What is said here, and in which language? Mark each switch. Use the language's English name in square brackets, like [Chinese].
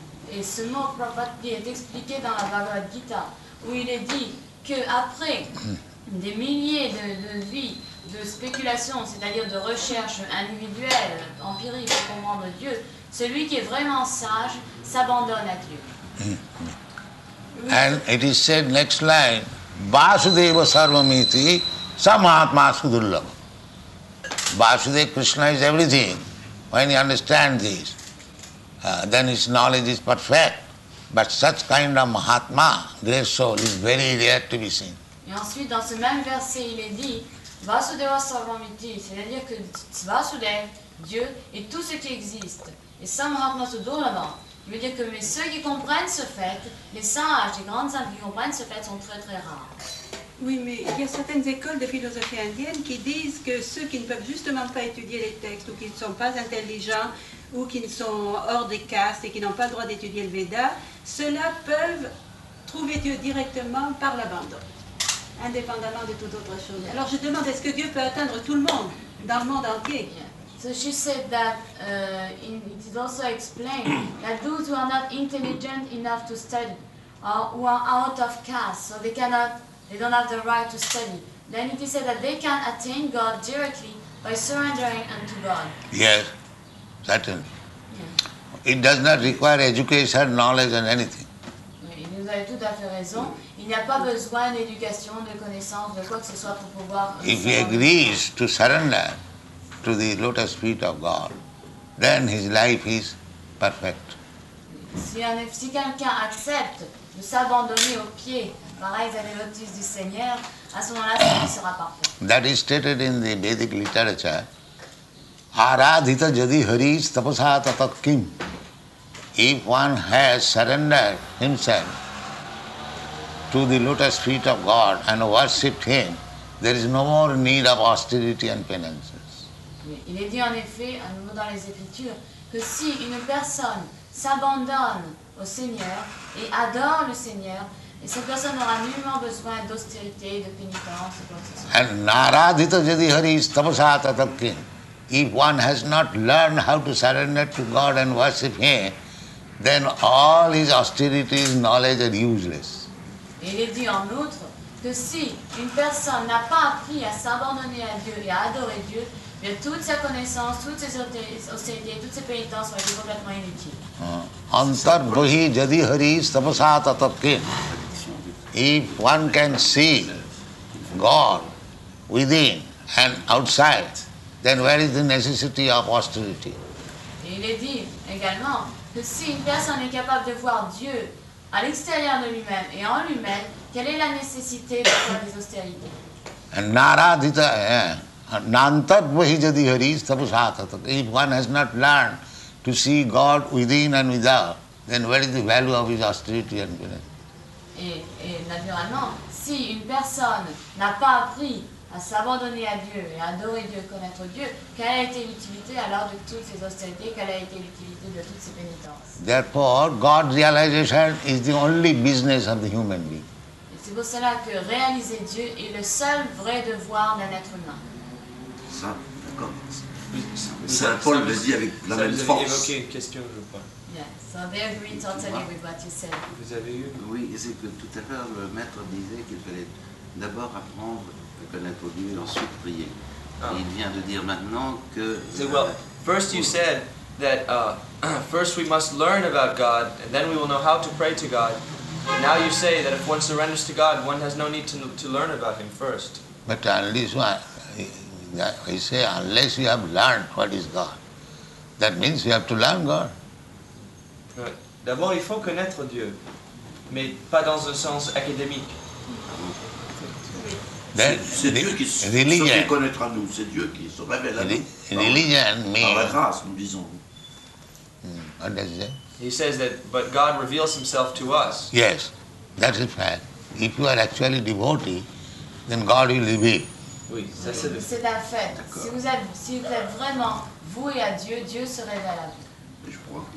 [French] Et ce mot prapaddhati est expliqué dans la Bhagavad Gita, où il est dit qu'après des milliers de vies, de spéculation, c'est-à-dire de recherche individuelle, empirique, pour comprendre Dieu, celui qui est vraiment sage s'abandonne à Dieu. Mm-hmm. [English] And it is said, next line, [Sanskrit] Vasudeva Sarvamiti Samatma Sudullabha. [English] Vasudeva Krishna is everything. When you understand this, then his knowledge is perfect. But such kind of Mahatma, great soul, is very rare to be seen. [French] Et ensuite, dans ce même verset, il est dit, [Sanskrit] Vasudeva Sarvamiti, [French] c'est-à-dire que Vasudev, Dieu, est tout ce qui existe. Et [Sanskrit] Samahatma Sudullabha, [French] il veut dire que mais ceux qui comprennent ce fait, les sages, les grandes âmes qui comprennent ce fait sont très très rares. Oui, mais il y a certaines écoles de philosophie indienne qui disent que ceux qui ne peuvent justement pas étudier les textes, ou qui ne sont pas intelligents, ou qui ne sont hors des castes et qui n'ont pas le droit d'étudier le Veda, ceux-là peuvent trouver Dieu directement par l'abandon. Indépendamment de toute autre chose. Yeah. Alors je demande, est-ce que Dieu peut atteindre tout le monde, dans le monde entier? Yeah. [English] So she said that it is also explained that those who are not intelligent enough to study, or who are out of caste, so they don't have the right to study, then it is said that they can attain God directly by surrendering unto God. Yes, certainly. Yeah. It does not require education, knowledge, and anything. [French] Vous avez tout à fait raison. Il n'y a pas besoin d'éducation, de connaissance, de quoi que ce soit pour pouvoir... [English] If he agrees to surrender to the lotus feet of God, then his life is perfect. [French] Si quelqu'un accepte de s'abandonner aux pieds, pareil, à les lotus du Seigneur, à ce moment-là, sa vie sera parfaite. [English] That is stated in the Vedic literature. [Sanskrit] Aradhita jadi hari tapasah tatat kim. [English] If one has surrendered himself to the lotus feet of God and worshipped Him, there is no more need of austerity and penances. [French] Il est dit en effet, à nouveau dans les Écritures, que si une personne s'abandonne au Seigneur et adore le Seigneur, et cette personne n'aura nullement besoin d'austérité, de pénitence, [Sanskrit] and naradita jadi hari tamasa tatakin. [English] If one has not learned how to surrender to God and worship Him, then all his austerities, knowledge are useless. [French] Il est dit en outre que si une personne n'a pas appris à s'abandonner à Dieu et à adorer Dieu, bien toute sa connaissance, toutes ses austérités, toutes ses pénitences vont être complètement inutiles. [Sanskrit] Antar bohi jadi hari tamasa tatakin. [English] If one can see God within and outside, then where is the necessity of austerity? [French] Il est dit également que si une personne est capable de voir Dieu à l'extérieur de lui-même et en lui-même, quelle est la nécessité de faire des austérités? [Sanskrit] And naradita, nantat bahi jadi hari tapasatat. [English] If one has not learned to see God within and without, then where is the value of his austerity and penance? [French] Et naturellement, si une personne n'a pas appris à s'abandonner à Dieu et adorer Dieu, connaître Dieu, quelle a été l'utilité alors de toutes ces austérités, quelle a été l'utilité de toutes ces pénitences? [English] Therefore, God's realization is the only business of the human being. [French] Et c'est pour cela que réaliser Dieu est le seul vrai devoir d'un être humain. Ça, d'accord. Saint Paul le dit avec la même force. Vous avez évoqué une question, je crois. Vous avez eu? Oui, c'est que tout à l'heure, le maître disait qu'il fallait d'abord apprendre connaître Dieu, ensuite prier. Oh. Il vient de dire maintenant que. [English] First you said that first we must learn about God, and then we will know how to pray to God. And now you say that if one surrenders to God, one has no need to learn about Him first. But unless one, I say, unless you have learned what is God, that means you have to learn God. [French] D'abord, il faut connaître Dieu, mais pas dans un sens académique. C'est Dieu qui se fait connaître à nous, c'est Dieu qui se révèle à nous. Religion, par la grâce, nous disons. [English] What does it say? He says that, but God reveals Himself to us. Yes, that is fact. If you are actually devotee, then God will reveal. [French] Oui, ça c'est le. C'est un fait. Si vous êtes vraiment voué à Dieu, Dieu se révèle à vous.